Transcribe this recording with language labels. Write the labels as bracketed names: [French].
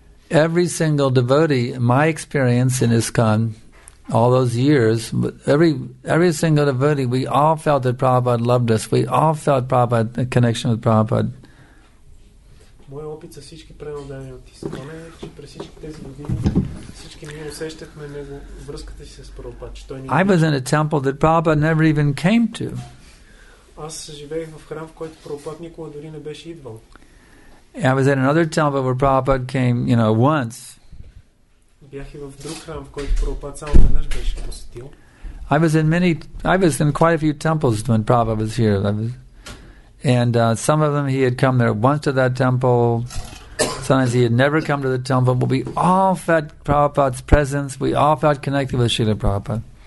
[English] Every single devotee, my experience in ISKCON, all those years, every single devotee, we all felt that Prabhupada loved us. We all felt Prabhupada, a connection with Prabhupada. [Bulgarian] Моя опит с всички преводани от Искона е, че през всички тези години всички ние усещахме него, връзката си с Прабхупада, че той ни. [English] I was in a temple that Prabhupada never even came to. [Bulgarian] Аз живеех в храм, в който Прабхупада никога дори не беше идвал. [English] And I was in another temple where Prabhupada came, you know, once. [Bulgarian] Бях и в друг храм, в който Прабхупада само веднъж беше посетил. [English] I was in quite a few temples when Prabhupada was here. And some of them he had come there once to that temple. Sometimes he had never come to the temple. But we all felt Prabhupada's presence. We all felt connected with Srila